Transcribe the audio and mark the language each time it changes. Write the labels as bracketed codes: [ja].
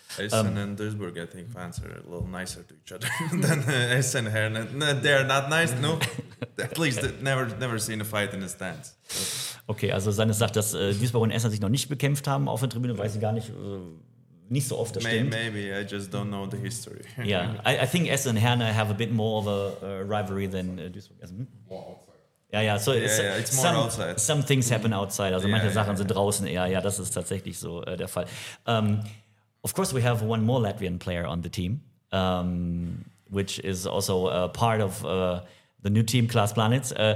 [en] Essen and Duisburg, I think fans are a little nicer to each other than Essen and Herne. No, they are not nice, no. At least never seen a fight in the stands. So. [de] Okay, also Sanne sagt, dass Duisburg und Essen sich noch nicht bekämpft haben auf der Tribüne. Weiß ich gar nicht. Nicht so oft, das stimmt. [en] Maybe, I just don't know the history. Yeah, I think Essen and Herne have a bit more of a rivalry than Duisburg. More outside. It's more outside. Some things happen outside. [de] Also manche Sachen sind draußen eher. Ja, das ist tatsächlich so der Fall. [en] Of course, we have one more Latvian player on the team, which is also a part of the new team, Klaas Planitz.